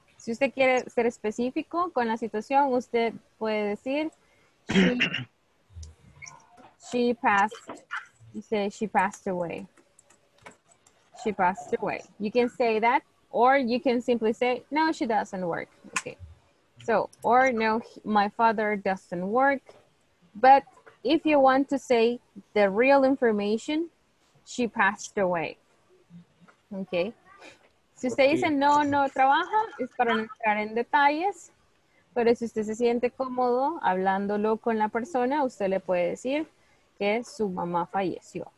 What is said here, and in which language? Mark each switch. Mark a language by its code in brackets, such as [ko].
[es] Si usted quiere ser específico con la situación, usted puede decir, she passed away. [en] She passed away. You can say that, or you can simply say, no, she doesn't work, okay. So, or no, my father doesn't work. But if you want to say the real information, she passed away. Okay. [es] Si usted dice no, no trabaja, es para no entrar en detalles. Pero si usted se siente cómodo hablándolo con la persona, usted le puede decir que su mamá falleció.